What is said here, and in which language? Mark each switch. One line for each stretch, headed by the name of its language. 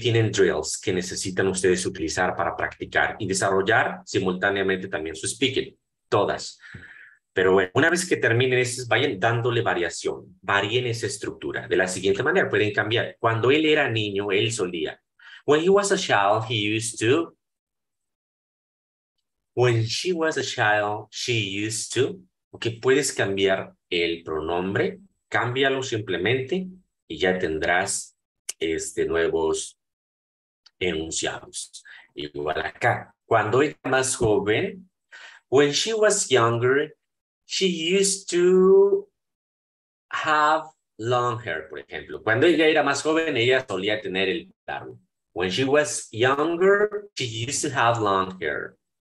Spanish: Tienen drills que necesitan ustedes utilizar para practicar y desarrollar simultáneamente también su speaking, todas. Pero bueno, una vez que terminen, vayan dándole variación, varíen esa estructura. De la siguiente manera, pueden cambiar. Cuando él era niño, él solía.
English: When he was a child, he used to. When she was a child, she used to.
Spanish: Ok, puedes cambiar el pronombre, cámbialo simplemente y ya tendrás nuevos enunciados. Igual acá. Cuando era más joven,
English: when she was younger, she used to have long hair,
Spanish: por ejemplo. Cuando ella era más joven, ella solía tener el largo.
English: When she was younger, she used to have long hair.